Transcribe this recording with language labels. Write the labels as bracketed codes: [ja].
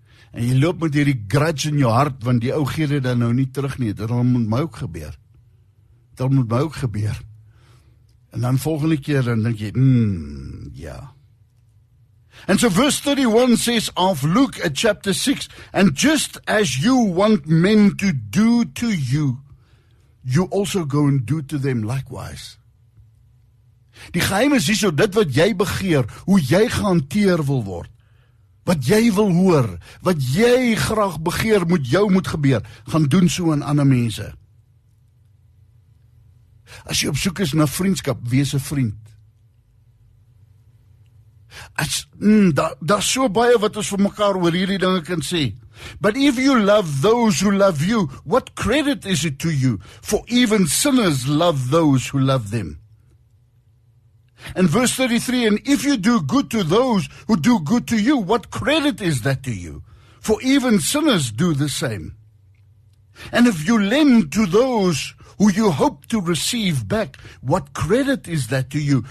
[af] En jy loop met hierdie grudge in jou hart, want die ou gee dit dan nou nie terug nie. Dit moet my ook gebeur. Dit moet my ook gebeur. En dan volgende keer, dan denk jy, ja. [en] And so verse 31 says of Luke at chapter 6, and just as you want men to do to you, you also go and do to them likewise. [af] Die geheim is hierso, dit wat jy begeer, hoe jy gehanteer wil word. Wat jy wil hoor, wat jy graag begeer, moet jou moet gebeur, gaan doen so aan ander mense. As jy op soek is na vriendskap, wees 'n vriend. As, daar is so baie wat ons vir mekaar oor hierdie dinge kan sê. [en] But if you love those who love you, what credit is it to you? For even sinners love those who love them. And verse 33, and if you do good to those who do good to you, what credit is that to you? For even sinners do the same. And if you lend to those who you hope to receive back, what credit is that to you?